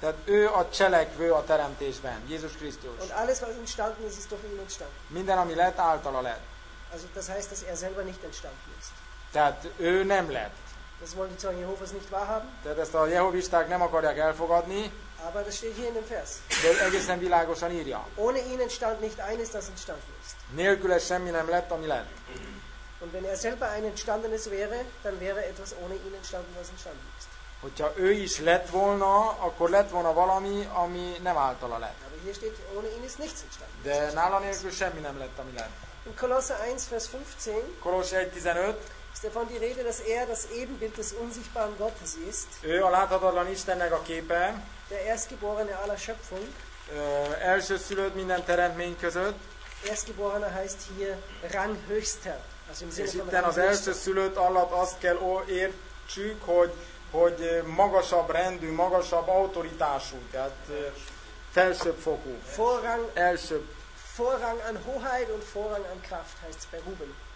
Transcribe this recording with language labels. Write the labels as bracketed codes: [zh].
[hu] Tehát ő a cselekvő a teremtésben, Jézus Krisztus. [de] Und alles was entstanden ist, ist durch ihn entstanden. [hu] Minden ami lett, általa lett. [de] Also das heißt, dass er selber nicht entstanden ist. [hu] Tehát ő nem lett. [de] Das wollen die Zeugen Jehovas nicht wahrhaben. [hu] Tehát ezt a jehovisták nem akarják elfogadni. [de] Aber das steht hier in dem Vers. [hu] De egészen világosan írja. [de] Ohne ihn entstand nicht eines, das entstanden ist. [hu] Nélküle semmi nem lett, ami lett. [de] Und wenn er selber ein entstandenes wäre, dann wäre etwas ohne ihn entstanden, was entstanden ist. [hu] Hogyha ő is lett volna, akkor lett volna valami, ami nem általa lett. [de] Aber hier steht, ohne ihn ist nichts entstanden. [hu] De nála nélkül semmi nem lett, ami lett. [de] In Kolosser 1, Vers 15. Kolosser 1:15. Ist davon die Rede, dass er das Ebenbild des unsichtbaren Gottes ist. [hu] Ő a láthatatlan Istennek a képe. [de] Der Erstgeborene aller Schöpfung. [hu] Elsőszülött minden teremtmény között. [de] Erstgeborene heißt hier ranghöchster. [hu] És itten az elsőszülött alatt azt kell értsük, hogy magasabb rendű, magasabb autoritású, tehát felsőbb fokú. Vorrang, elsőbb. [de] Vorrang an Hoheit und Vorrang an Kraft heißt es bei Ruben.